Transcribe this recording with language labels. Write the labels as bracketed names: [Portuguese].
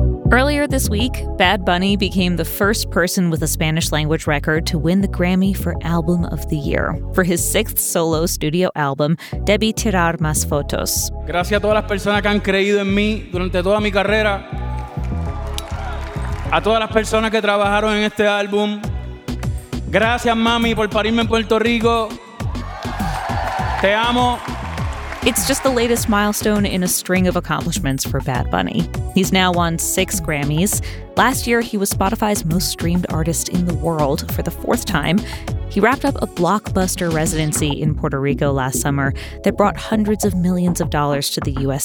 [English] Earlier this week, Bad Bunny became the first person with a Spanish language record to win the Grammy for Album of the Year for his sixth solo studio album, Debí Tirar Más Fotos. [Spanish] Gracias a todas las personas que han creído en mí durante toda mi carrera. A todas las personas que trabajaron en este álbum. Gracias, mami, por parirme en Puerto Rico. Te amo. [English] It's just the latest milestone in a string of accomplishments for Bad Bunny. He's now won 6 Grammys. Last year, he was Spotify's most streamed artist in the world for the 4th time. He wrapped up a blockbuster residency in Puerto Rico last summer that brought hundreds of millions of dollars to the U.S.